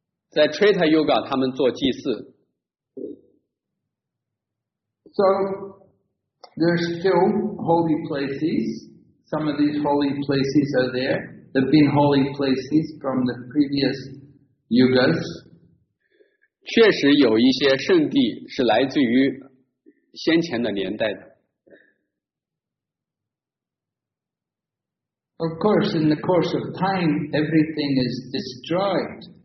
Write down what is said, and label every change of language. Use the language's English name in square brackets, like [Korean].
[Chinese] 在 Treta Yuga, 他们做祭祀。 [English] So,There's still holy places. Some of these holy places are there. They've been holy places from the previous yugas. [Chinese] 确实有一些圣地是来自于先前的年代的。 [English] Of course, in the course of time, everything is destroyed.